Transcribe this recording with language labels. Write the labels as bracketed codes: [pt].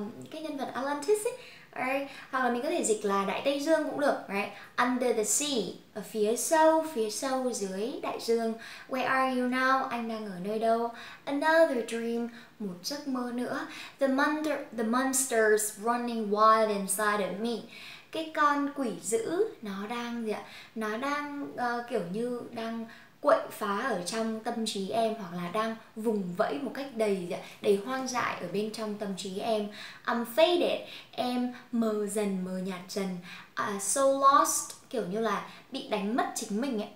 [vi] Cái nhân vật Atlantis ấy, right? Hoặc là mình có thể dịch là Đại Tây Dương cũng được, right? [en] Under the sea, [vi] ở phía sâu dưới đại dương. [en] Where are you now? [vi] Anh đang ở nơi đâu? [en] Another dream, [vi] một giấc mơ nữa. [en] The monsters running wild inside of me. [vi] Cái con quỷ dữ nó đang gì ạ? Nó đang kiểu như đang quậy phá ở trong tâm trí em, hoặc là đang vùng vẫy một cách đầy hoang dại ở bên trong tâm trí em. [en] I'm faded, [vi] em mờ dần, mờ nhạt dần. [en] So lost, [vi] kiểu như là bị đánh mất chính mình ấy.